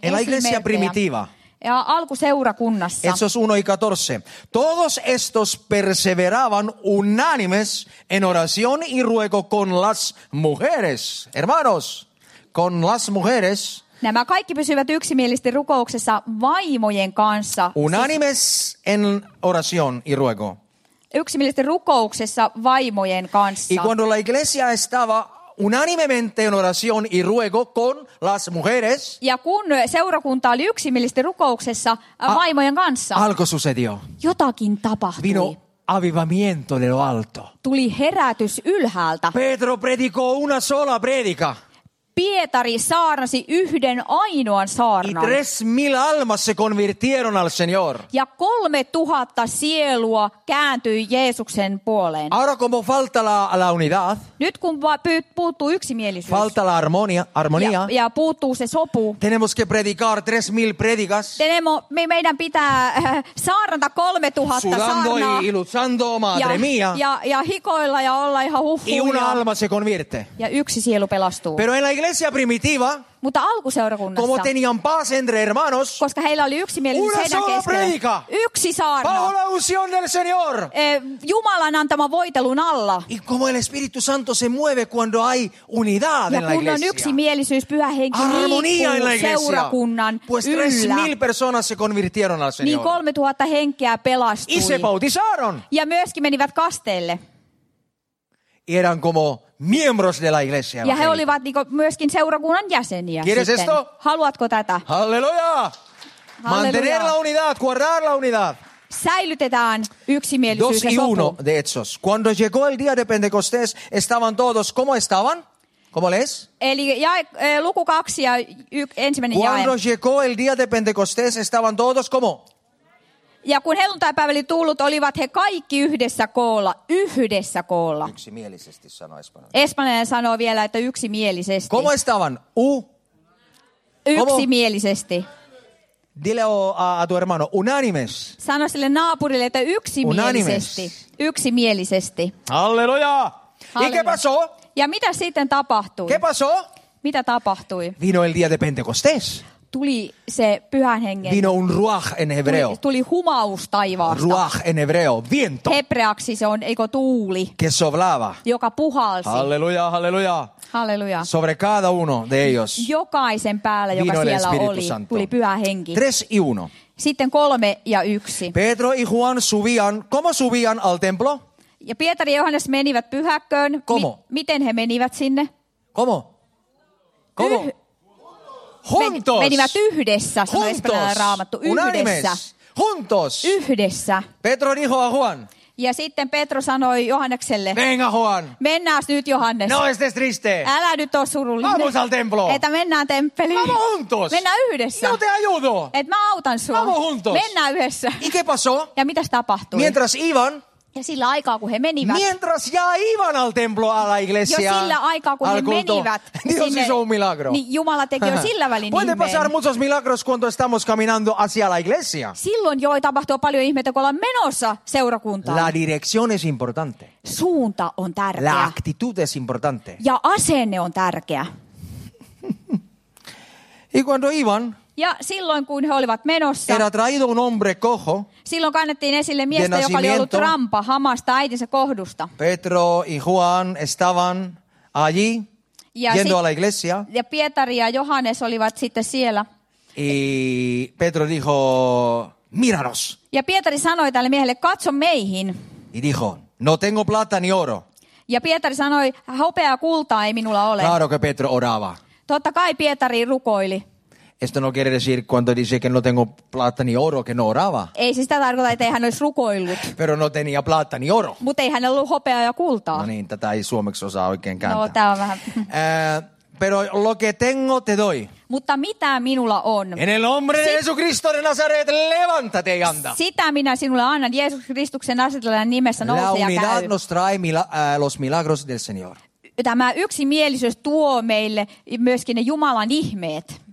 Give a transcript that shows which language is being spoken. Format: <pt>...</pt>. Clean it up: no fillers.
<es>en la iglesia primitiva.</es> <fi>Ja alkuseurakunnassa.</fi> <es>Hechos 1 y 14. Todos estos perseveraban unánimes en oración y ruego con las mujeres. Hermanos, con las mujeres.</es> <fi>Nämä kaikki pysyvät yksimielisesti rukouksessa vaimojen kanssa.</fi> <es>Unánimes en oración y ruego.</es> <fi>Yksimielisesti rukouksessa vaimojen kanssa.</fi> <es>Y cuando la iglesia estaba unánimemente en oración y ruego con las mujeres.</es> <fi>Ja kun seurakunta oli yksimielisesti rukouksessa vaimojen kanssa.</fi> <es>Algo sucedió.</es> <fi>Jotakin tapahtui.</fi> <es>Vino avivamiento de lo alto.</es> <fi>Tuli herätys ylhäältä.</fi> <es>Pedro predicó una sola predica.</es> <fi>Pietari saarnasi yhden ainoan saarnan.</fi> <es>Y 3000 almas se convirtieron al Señor.</es> <fi>Ja 3000 sielua kääntyi Jeesuksen puoleen.</fi> <es>Ahora como falta la unidad.</es> <fi>Nyt kun puuttuu yksimielisyys.</fi> <es>Falta la armonía.</es> <fi>Ja puuttuu se sopu.</fi> <es>Tenemos que predicar 3000 predicas.</es> <fi>Meidän pitää saarnata 3000</fi> <es>sudando</es> <fi>saarnaa.</fi> <es>Sudando y luchando, madre mía.</es> <fi>Ja hikoilla ja olla ihan huhkuja.</fi> <es>Y una alma se convierte.</es> <fi>Ja yksi sielu pelastuu.</fi> <es>Pero la iglesia primitiva,</es> <fi>mutta alkuseurakunnassa,</fi> <es>como tenían paz entre hermanos,</es> <fi>koska heillä oli yksimielisyys heidän keskellä,</fi> <es>predica,</es> <fi>yksi saarna,</fi> <es>bajo la unción del Señor,</es> <fi>Jumalan antama voitelun alla,</fi> <es>y como el Espíritu Santo se mueve cuando hay unidad en la iglesia,</es> <fi>ja kun on yksimielisyys, pyhä henki</fi> <es>armonía</es> <fi>liikkuu seurakunnan</fi> <es>pues</es> <fi>yllä,</fi> <es>3000 personas se convirtieron al Señor,</es> <fi>niin 3000 henkeä pelastui,</fi> <es>y se bautizaron,</es> <fi>ja myöskin menivät kasteelle,</fi> <es>y eran como miembros de la iglesia.</es> <fi>Ja he olivat myöskin seurakunnan jäseniä.</fi> <es>¿Quieres esto?</es> <fi>Haluatko tätä? Halleluja!</fi> <es>Mantener la unidad, guardar la unidad.</es> <fi>Säilytetään yksimielisyys ja sopu.</fi> <es>2 y 1 de Hechos. Cuando llegó el día de Pentecostés, estaban todos, ¿cómo estaban? ¿Cómo les?</es> <fi>Eli luku 2 ja ensimmäinen jae.</fi> <es>Cuando llegó el día de Pentecostés, estaban todos, ¿cómo?</es> <fi>Ja kun helluntaipäivä oli tullut, olivat he kaikki yhdessä koolla. Yksimielisesti sanoo espanjalaisesti. Espanjalainen sanoo vielä, että yksimielisesti.</fi> <es>¿Cómo estaban?</es> <fi>Yksimielisesti.</fi> <es>Dile a tu hermano, unánimes.</es> <fi>Sano sille naapurille, että yksimielisesti.</fi> <es>Unánimes.</es> <fi>Yksimielisesti.</fi> <es>Halleluja! ¿Y qué pasó?</es> <fi>Ja mitä sitten tapahtui?</fi> <es>¿Qué pasó?</es> <fi>Mitä tapahtui?</fi> <es>Vino el día de Pentecostés.</es> <fi>Tuli se pyhän hengen.</fi> <es>Vino un ruach en hebreo.</es> <fi>Tuli humaus taivaasta.</fi> <es>Ruach en hebreo, viento.</es> <fi>Hebreaksi se on, eikö tuuli.</fi> <es>Que soplaba.</es> <fi>Joka puhalsi. Halleluja, halleluja. Halleluja.</fi> <es>Sobre cada uno de ellos.</es> <fi>Jokaisen päällä, joka siellä</fi> <es>Espíritu</es> <fi>oli,</fi> <es>Santo.</es> <fi>Tuli pyhä henki.</fi> <es>3 y 1.</es> <fi>Sitten 3 ja 1.</fi> <es>Pedro y Juan subían, ¿cómo subían al templo?</es> <fi>Ja Pietari ja Johannes menivät pyhäkköön.</fi> <es>¿Cómo?</es> <fi>Miten he menivät sinne?</fi> <es>¿Cómo? ¿Cómo? Juntos.</es> <fi>Menivät yhdessä, sanoi espanjalainen raamattu.</fi> <es>Unánimes.</es> <fi>Yhdessä.</fi> <es>Juntos.</es> <fi>Yhdessä.</fi> <es>Pedro dijo a Juan.</es> <fi>Ja sitten Petro sanoi Johannekselle.</fi> <es>Venga Juan.</es> <fi>Mennäs nyt Johannes.</fi> <es>No estes triste.</es> <fi>Älä nyt ole surullinen.</fi> <es>Vamos al templo.</es> <fi>Että mennään temppeliin.</fi> <es>Vamos juntos.</es> <fi>Mennään yhdessä.</fi> <es>Yo te ayudo.</es> <fi>Et mä autan sua.</fi> <es>Vamos juntos.</es> <fi>Mennään yhdessä.</fi> <es>¿Y qué pasó?</es> <fi>Ja mitäs tapahtui?</fi> <es>Mientras iban.</es> <fi>Ja sillä aikaa kun he menivät.</fi> <es>Mientras ya iban al templo a la iglesia.</es> <fi>Jo sillä aikaa kun he menivät.</fi> <es>Dios sinne, hizo un milagro.</es> <fi>Niin Jumala teki jo sillä välin ihmeen.</fi> <es>Puede pasar muchos milagros cuando estamos caminando hacia la iglesia.</es> <fi>Silloin jo tapahtuu paljon ihmeitä kun ollaan menossa seurakuntaan.</fi> <es>La dirección es importante.</es> <fi>Suunta on tärkeä.</fi> <es>La actitud es importante.</es> <fi>Ja asenne on tärkeä.</fi> <es>Y cuando iban.</es> <fi>Ja silloin kun he olivat menossa.</fi> <es>Era traído un hombre cojo.</es> <fi>Silloin kannettiin esille miestä, joka oli ollut rampa hamasta äitinsä kohdusta.</fi> <es>Petro y Juan estaban allí yendo a la iglesia.</es> <fi>Ja Pietari ja Johannes olivat sitten siellä.</fi> <es>Y Petro dijo, "Míranos."</es> <fi>Ja Pietari sanoi tälle miehelle, "Katso meihin."</fi> <es>Y dijo, "No tengo plata ni oro."</es> <fi>Ja Pietari sanoi, "Hopeaa kultaa ei minulla ole."</fi> <es>Claro que Petro oraba.</es> <fi>Totta kai Pietari rukoili.</fi> <es>Esto no quiere decir cuando dice que no tengo plata ni oro que no oraba.</es> <fi>Ei siis sitä tarkoita, ettei hän olisi rukoillut.</fi> <es>Pero no tenía plata ni oro.</es> <fi>Mut ei hänellä ollut hopeaa ja kultaa. No niin, tätä ei suomeksi osaa oikein kääntää. No, tää on vähän.</fi> <es>Pero lo que tengo te doy.</es> <fi>Mutta mitä minulla on?</fi> <es>En el hombre de Jesucristo de Nazaret, levántate y anda.</es> <fi>Sitä minä sinulle annan Jeesus Kristuksen Nasaretilainen nimessä nouse ja käy.</fi> <es>La unidad nos trae los milagros del Señor.</es> <fi>Tämä yksimielisyys tuo meille myöskin ne Jumalan ihmeet.</fi>